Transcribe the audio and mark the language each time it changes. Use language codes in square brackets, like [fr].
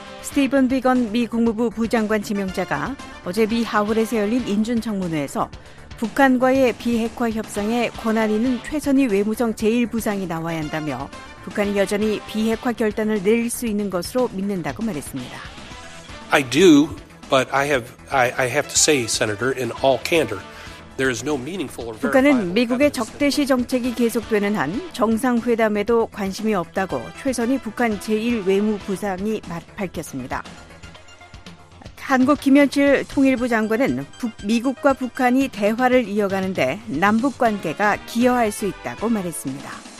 [ko] 스티븐 비건 미 국무부 부장관 지명자가 어제 미 하원에서 열린 인준청문회에서 북한과의 비핵화 협상에 권한 있는 최선희 외무성 제1부상이 나와야 한다며 북한이 여전히 비핵화 결단을 내릴 수 있는 것으로 믿는다고 말했습니다. [en] I do, but I have to say, Senator, in all candor, there is no meaningful or verifiable. [ko] 북한은 미국의 적대시 정책이 계속되는 한 정상회담에도 관심이 없다고 최선희 북한 제1외무부상이 밝혔습니다. 한국 김현철 통일부 장관은 미국과 북한이 대화를 이어가는데 남북관계가 기여할 수 있다고 말했습니다.